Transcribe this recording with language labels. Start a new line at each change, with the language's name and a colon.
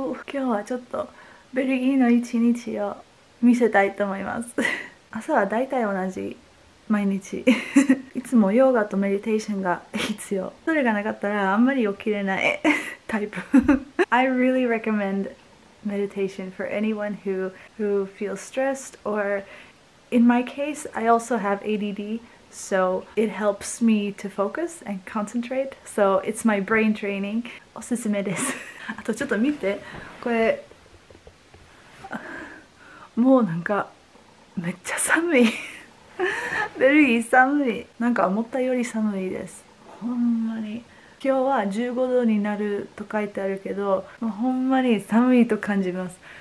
Japanese: 今日はちょっとベルギーの一日を見せたいと思います。朝はだいたい同じ毎日。いつもヨガとメディテーションが必要。それがなかったらあんまり起きれないタイプ。
English: I really recommend meditation for anyone who feels stressed, or in my case, I also have ADD, so it helps me to focus and concentrate. So it's my brain training.
Japanese: おすすめです。あとちょっと見て、これもうなんかめっちゃ寒い。ベルギー寒い。なんか思ったより寒いです。ほんまに今日は15度になると書いてあるけど、もうほんまに寒いと感じます。